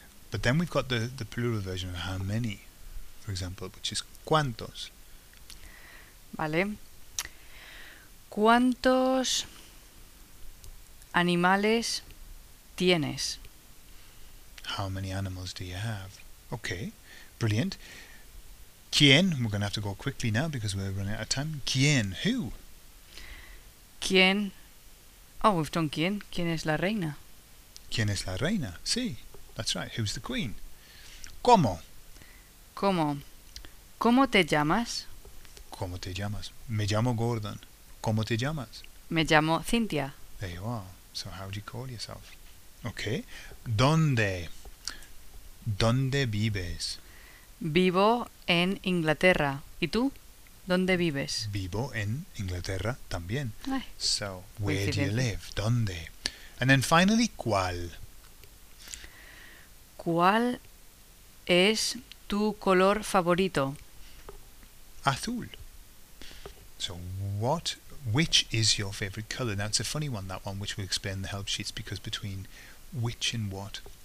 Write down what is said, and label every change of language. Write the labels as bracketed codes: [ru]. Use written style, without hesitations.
[en] But then we've got the plural version of how many, for example, which is ¿cuántos? [es] Vale. ¿Cuántos animales tienes? [en] How many animals do you have? Okay. Brilliant. ¿Quién? We're going to have to go quickly now because we're running out of time. ¿Quién? Who? [es] ¿Quién? [en] Oh, we've done [es] ¿quién? ¿Quién es la reina? ¿Quién es la reina? Sí, [en] that's right. Who's the queen? ¿Cómo? [es] ¿Cómo? ¿Cómo te llamas? ¿Cómo te llamas? Me llamo Gordon. ¿Cómo te llamas? Me llamo Cynthia. [en] There you are. So how do you call yourself? [es] Okay. ¿Dónde? ¿Dónde vives? Vivo en Inglaterra. ¿Y tú? ¿Dónde vives? Vivo en Inglaterra también. [en] So, where do you live? ¿Dónde? And then finally, ¿cuál? [es] ¿Cuál es tu color favorito? Azul. [en] So, which is your favorite color? Now, it's a funny one, that one, which we'll explain in the help sheets, because between which and what.